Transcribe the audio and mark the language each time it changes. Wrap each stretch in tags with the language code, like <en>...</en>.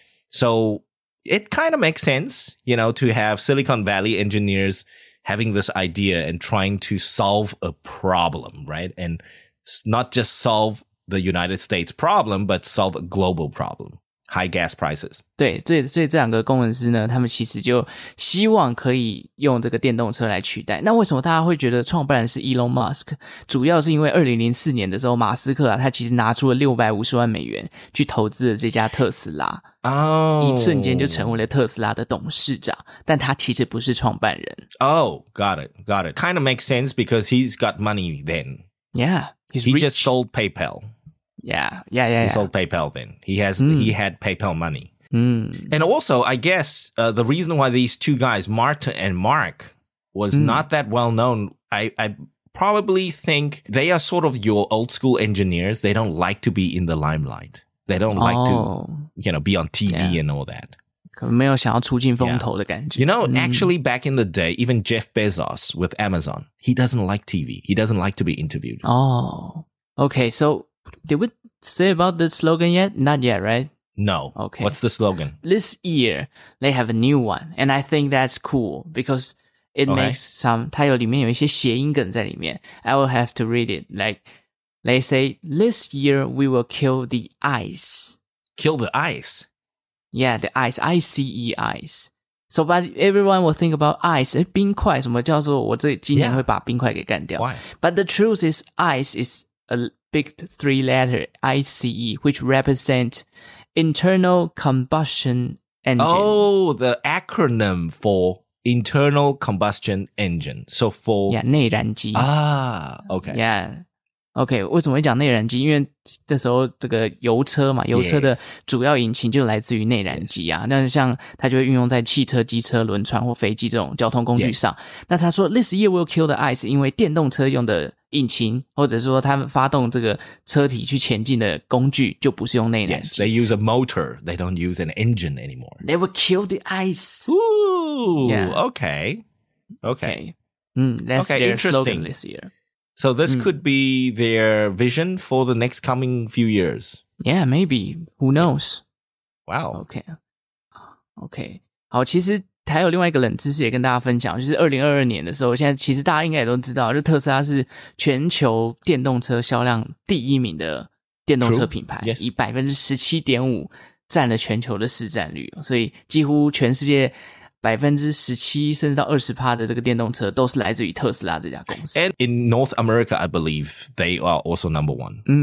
<en>So it kind of makes sense, you know, to have Silicon Valley engineers having this idea and trying to solve a problem, right? And not just solve the United States problem, but solve a global problem. High gas prices.</en> <zh>对，所以这两个工程师呢，他们其实就希望可以用这个电动车来取代。那为什么大家会觉得创办人是 Elon Musk？ 主要是因为2004年的时候，马斯克啊，他其实拿出了650万美元去投资了这家特斯拉。哦，一瞬间就成为了特斯拉的董事长，但他其实不是创办人。</zh> <en>Oh, got it. Kind of makes sense because he's got money then. Yeah, he's rich. He just sold PayPal. Yeah. He sold PayPal then. He had PayPal money. And also, I guess, the reason why these two guys, Martin and Mark, was not that well known, I probably think they are sort of your old school engineers. They don't like to be in the limelight. They don't like to, you know, be on TV and all that.</en> <zh>可能没有想要出尽风头的感觉。</zh> <en>You know, actually, back in the day, even Jeff Bezos with Amazon, he doesn't like TV. He doesn't like to be interviewed. Oh, okay, so... Did we say about the slogan yet? Not yet, right? No. Okay. What's the slogan? This year, they have a new one. And I think that's cool because it makes some...</en> <zh>它有里面有一些谐音梗在里面。</zh> <en>I will have to read it. Like, they say, this year, we will kill the ice. Kill the ice? Yeah, the ice. I-C-E, ice. So, but everyone will think about ice.</en> <zh>欸、冰块什么叫做我这今年会把冰块给干掉。</zh> <en>Why? But the truth is, ice is... Big three letter ICE, which represent internal combustion engine. Oh, the acronym for internal combustion engine. So for</en> <zh>内燃机啊 ，OK,</zh> <en>yeah,</en> <zh>OK， 为什么会讲内燃机？因为这时候这个油车嘛，油车的主要引擎就来自于内燃机啊。那、</zh> <en>yes.</en> <zh>像它就会运用在汽车、机车、轮船或飞机这种交通工具上。</zh> <en>Yes.</en> <zh>那他说 ，</zh> <en>This year will kill the ice，</en> <zh>因为电动车用的引擎，或者说他们发动这个车体去前进的工具，就不是用内燃机。</zh> <en>Yes, they use a motor. They don't use an engine anymore. They will kill the ice. Ooh,、 yeah. okay, okay. Okay. That's their slogan this year. So this could be their vision for the next coming few years. Yeah, maybe. Who knows? Wow. Okay. Okay.</en> <zh>好，其实还有另外一个冷知识也跟大家分享，就是2022年的时候，现在其实大家应该也都知道，就特斯拉是全球电动车销量第一名的电动车品牌，</zh> <en>True. Yes.</en> <zh>以 17.5% 占了全球的市占率，所以几乎全世界17% 甚至到 20% 的这个电动车都是来自于特斯拉这家公司。</zh> <en>And in North America, I believe they are also number one.</en>